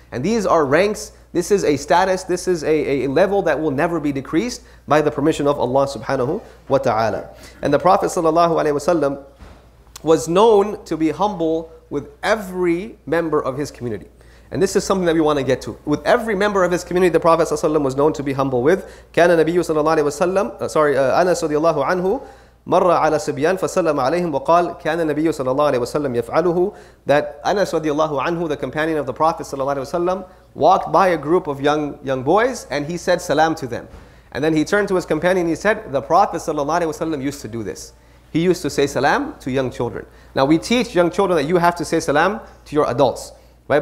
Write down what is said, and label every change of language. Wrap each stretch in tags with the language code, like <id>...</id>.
<en>And these are ranks, this is a status, this is a level that will never be decreased by the permission of Allah subhanahu wa ta'ala. And the Prophet sallallahu alayhi wa sallam was known to be humble with every member of his community. And this is something that we want to get to. With every member of his community, the Prophet sallallahu alayhi wa sallam was known to be humble with.</en> <ar>كان نبي صلى الله عليه وسلم, Anas radiallahu anhu, مر على سبيان فسلم عليهم وقال كان النبي صلى الله عليه وسلم يفعله.</ar> <en>That Anas radiallahu anhu, the companion of the Prophet sallallahu alaihi wasallam, walked by a group of young boys and he said salam to them. And then he turned to his companion and he said, the Prophet sallallahu alaihi wasallam used to do this. He used to say salam to young children. Now we teach young children that you have to say salam to your adults, right?</en>